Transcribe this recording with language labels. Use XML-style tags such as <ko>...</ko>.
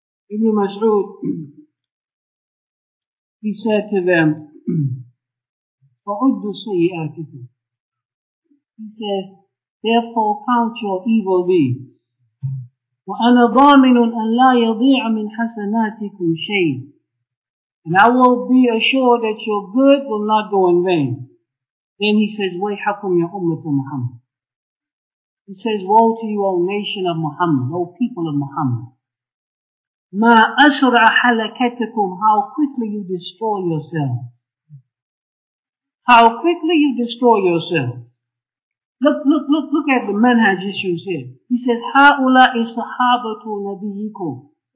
<en>Ibn Mas'ud, he said to them,</en> <ar>فَعُدُّ سَيِّئَاتِكُمْ.</ar> <en>He says, therefore count your evil deeds.</en> <ar>وَأَنَا ضَامِنٌ أَنْ لَا يَضِيعَ مِنْ حَسَنَاتِكُمْ شَيْءٍ.</ar> <en>And I will be assured that your good will not go in vain. Then he says,</en> <ar>وَيْحَكُمْ يَا أُمَّةُ مُحَمَّدٍ.</ar> <en>He says, woe to you, O nation of Muhammad, O people of Muhammad.</en> <ar>مَا أَسْرَ حَلَكَتَكُمْ.</ar> <en>How quickly you destroy yourselves. How quickly you destroy yourselves. Look at the manhaj issues here. He says,</en> <ar>هَؤُلَاءِ صَحَابَةُ نَبِيِّكُمْ.</ar>